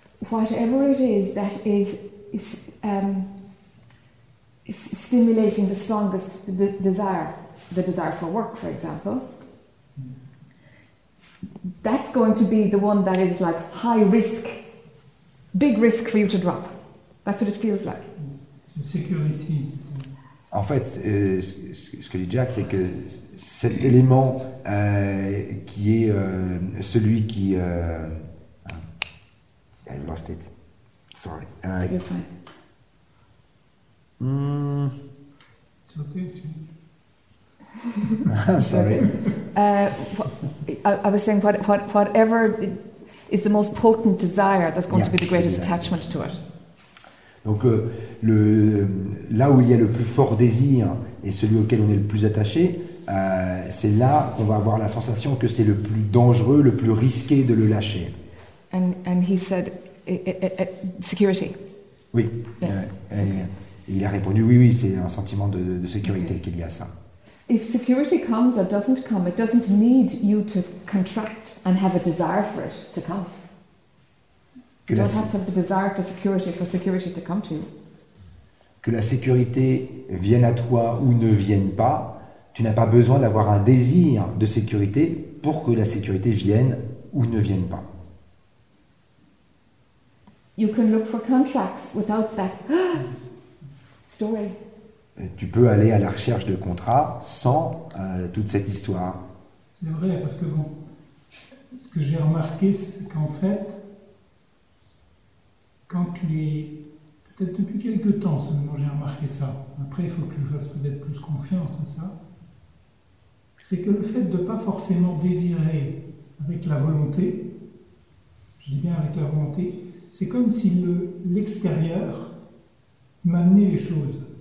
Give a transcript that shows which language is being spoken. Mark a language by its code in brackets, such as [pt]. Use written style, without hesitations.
[en] Whatever it is that is stimulating the strongest desire, the desire for work, for example, that's going to be the one that is like high risk, big risk for you to drop. That's what it feels like. Security. [fr] En fait, ce que dit Jack, c'est que cet élément qui est celui qui... [en] I lost it. Sorry. You're fine. It's okay. I'm sorry. I was saying whatever is the most potent desire, that's going to be the greatest attachment to it. [fr] Donc là où il y a le plus fort désir et celui auquel on est le plus attaché, c'est là qu'on va avoir la sensation que c'est le plus dangereux, le plus risqué de le lâcher. [en] And he said security. [fr] Oui. [en] Yeah. [fr] Et il a répondu oui, c'est un sentiment de sécurité qu'il y a ça. [en] If security comes or doesn't come, it doesn't need you to contract and have a desire for it to come. You don't have to have the desire for security to come to you. [fr] Que la sécurité vienne à toi ou ne vienne pas, tu n'as pas besoin d'avoir un désir de sécurité pour que la sécurité vienne ou ne vienne pas. [en] You can look for contracts without that story. [fr] Tu peux aller à la recherche de contrats sans toute cette histoire. C'est vrai, parce que bon, ce que j'ai remarqué, c'est qu'en fait, peut-être depuis quelques temps seulement j'ai remarqué ça, après il faut que je fasse peut-être plus confiance à ça, c'est que le fait de ne pas forcément désirer avec la volonté, je dis bien avec la volonté, c'est comme si l'extérieur m'amenait les choses.